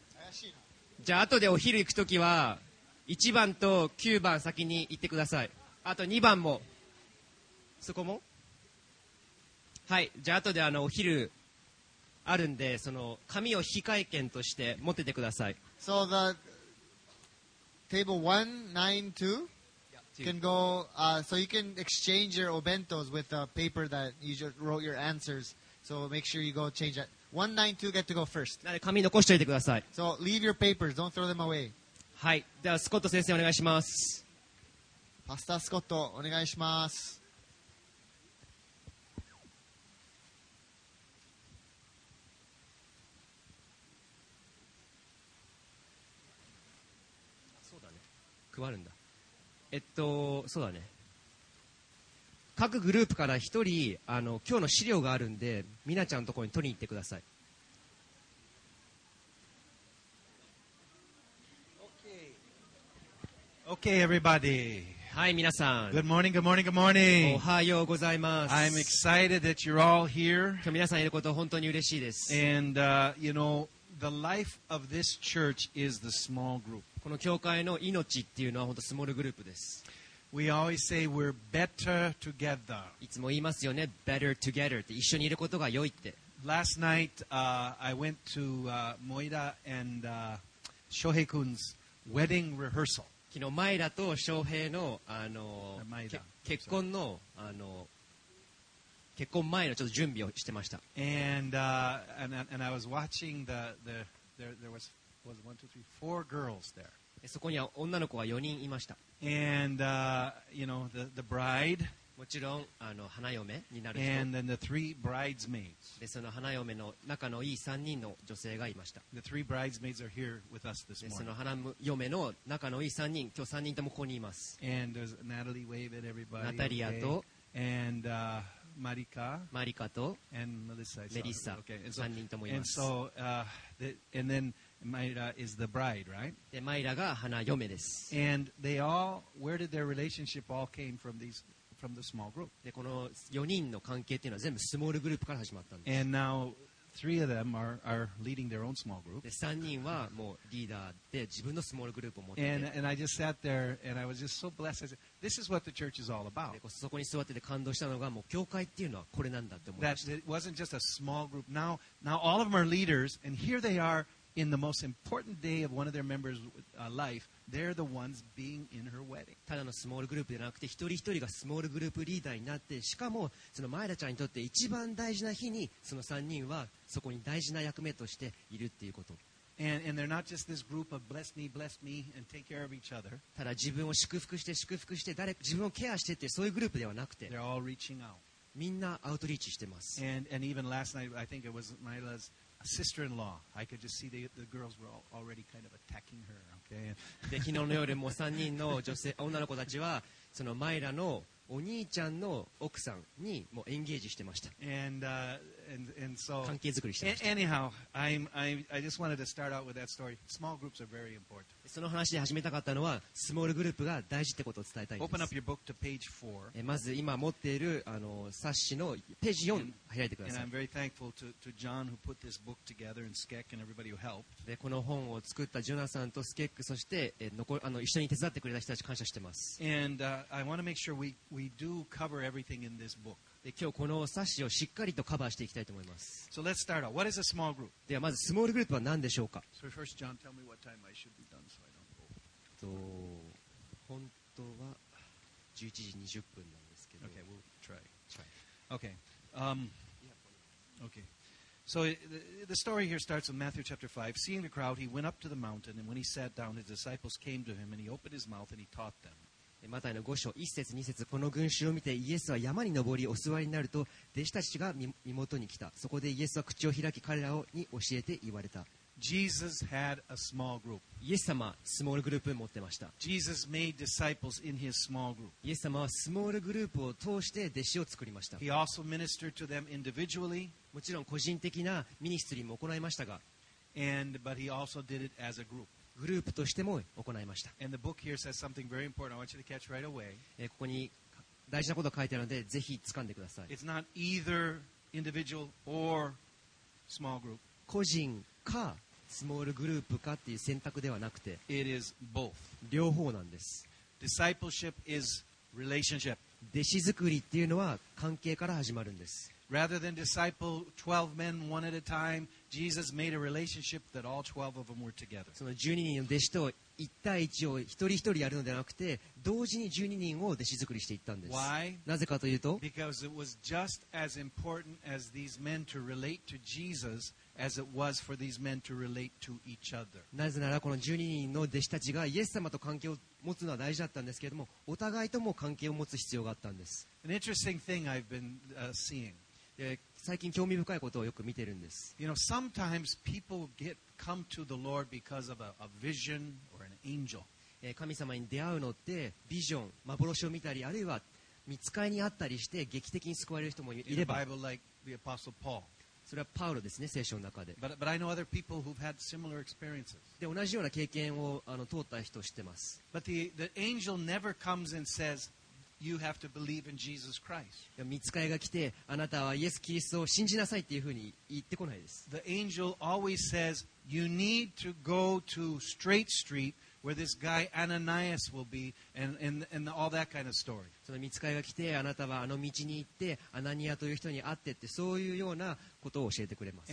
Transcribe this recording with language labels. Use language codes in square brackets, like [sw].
[ja] 怪しいな。じゃあ後でお昼行くときは1番と9番先に行ってください。あと2番もそこも。はい、じゃあ後でお昼あるんで、その紙を非会見として持っててください。 [en] So the table 192 can go, so you can exchange your obentos with the paper that you just wrote your answers. So make sure you go change that. 192 get to go first. [ja] なので紙残しておいてください。 [en] So leave your papers, don't throw them away. [ja] はい、ではスコット先生お願いします。パスタースコットお願いします。配るんだ。そうだね。各グループから一人今日の資料があるんで、みなちゃんのところに取りに行ってください。 [en] Okay. Okay, everybody. [ja] はい、皆さん。 [en] Good morning, good morning, good morning. [ja] おはようございます。 [en] I'm excited that you're all here. [ja] 今日皆さんいること本当に嬉しいです。 [en] And, you know, the life of this church is the small group. [ja] この教会の命っていうのは本当スモールグループです。 [en] We always say we're better together. [ja] いつも言いますよね、 [en] better together [ja] って、一緒にいることが良いって。 [en] Last night, I went to Moira and Shohei君's wedding rehearsal. [ja] 昨日、マイラと翔平の結婚の結婚前のちょっと準備をしてました。 [en] And I was watching there was one, two, three, four girls there. [ja] そこには女の子は4人いました。 [en] And, you know, the bride. [ja] もちろん花嫁になる [en] 人。And then the three bridesmaids. [ja] で、その花嫁の仲のいい3人の女性がいました。 [en] The three bridesmaids are here with us this morning. [ja] その花嫁の仲のいい3人、今日3人ともここにいます。 [en] And there's Natalie wave at everybody. [ja] ナタリアと、 [en] And, Marika. [ja] マリカと、 [en] And Melissa. [ja] メリッサ。 [en] Okay. And [ja] 3人ともいます。 [en] And so, and then,Myra is the bride, right? [ja] で、マイラが花嫁です。 [en] And they all, where did their relationship all came from these, from the small group? [ja] で、この4人の関係っていうのは全部スモールグループから始まったんです。 [en] And now, three of them are leading their own small group. [ja] で、3人はもうリーダーで自分のスモールグループを持ってて。 [en] And I just sat there and I was just so blessed. I said, this is what the church is all about. [ja] で、そこに座ってて感動したのが、もう教会っていうのはこれなんだって思いました。 [en] That it wasn't just a small group. Now all of them are leaders and here they are. In the most important day of one of their members' life, they're the ones being in her wedding. [ja] ただのスモールグループじゃなくて、一人一人がスモールグループリーダーになって、しかもそのマイラちゃんにとって一番大事な日に、その3人はそこに大事な役目としているっていうこと。 [en] And they're not just this group of bless me, and take care of each other. [ja] ただ自分を祝福して祝福して誰自分をケアしてってそういうグループではなくて、 [en] they're all reaching out. [ja] みんなアウトリーチしてます。 [en] And even last night, I think it was Myra's. Sister-in-law, I could just see the girls were already kind of attacking her. Okay. [ja] で昨日の夜も3人の女性女の子たちはそのマイラのお兄ちゃんの奥さんにもうエンゲージしてました。 [en] And so [ja] 関係作りしてました。 [en] Anyhow, I just wanted to start out with that story. Small groups are very important. [ja] その話で始めたかったのはスモールグループが大事ってことを伝えたいです。 [en] Open up your book to page four. [ja] まず今持っているあの冊子のページ4開いてください。 [en] And I'm very thankful to John who put this book together and Skek and everybody who helped. [ja] でこの本を作ったジョナサンとスケック、そして残あの一緒に手伝ってくれた人たち感謝してます。 [en] And I want to make sure we do cover everything in this book. [ja] で今日この冊子をしっかりとカバーしていきたいと思います。 [en] So、let's start out. What is a small group? [ja] ではまずスモールグループは何でしょうか。 [en] So、first, John, tell me what time I should be done so I don't go. [ja] 本当は11時20分なんですけど。 [en] Okay, we'll try. Try. Okay. Okay. So the story here starts in Matthew chapter 5. Seeing the crowd, he went up to the mountain, and when he sat down, his disciples came to him, and he opened his mouth, and he taught them. [ja] マタイの5章1節2節、この群衆を見てイエスは山に登りお座りになると弟子たちが身元に来た。そこでイエスは口を開き彼らに教えて言われた。 [en] Jesus had a small group. [ja] イエス様はスモールグループを持ってました。 [en] Jesus made disciples in his small group. [ja] イエス様はスモールグループを通して弟子を作りました。 [en] He also ministered to them individually. [ja] もちろん個人的なミニストリーも行いましたが、 [en] And, but he also did it as a group [ja] グループとしても行いました。 [en] And the book here says something very important. I want you to catch right away. [ja] ここに大事なことが書いてあるので、ぜひ掴んでください。 [en] It's not either individual or small group. [ja] 個人かスモールグループかっていう選択ではなくて、 [en] It is both. [ja] 両方なんです。 [en] Discipleship is relationship. [ja] 弟子作りっていうのは関係から始まるんです。 [en] Rather than disciple 12 men one at a time, Jesus made a relationship that all 12 of them were together. [ja] その12人の弟子と一対一を一人一人やるのではなくて、同時に12人を弟子作りしていったんです。 [en] Why? [ja] なぜかというと、 [en] Because it was just as important as these men to relate to Jesus as it was for these men to relate to each other. [ja] なぜならこの12人の弟子たちがイエス様と関係を持つのは大事だったんですけれども、お互いとも関係を持つ必要があったんです。 [en] An interesting thing I've been seeing. [ja] 最近興味深いことをよく見てるんです。 [en] You know, sometimes people get come to the Lord because of a vision or an angel. [ja] 神様に出会うのってビジョン、幻を見たり、あるいは見つかりに会ったりして劇的に救われる人もいれば。 [en] In the Bible, like the Apostle Paul. [ja] それはパウロですね、聖書の中で。 [en] But I know other people who've had similar experiences. [ja] で、同じような経験を通った人を知ってます。 [en] But the angel never comes and says,You have to believe in Jesus Christ. [ja] 見つかりが来て、あなたはイエス・キリストを信じなさいっていうふうに言ってこないです。 [en] The angel always says, you need to go to Straight Street where this guy Ananias will be and all that kind of story. [ja] その見つかりが来て、あなたはあの道に行って、アナニアという人に会ってって、そういうようなことを教えてくれます。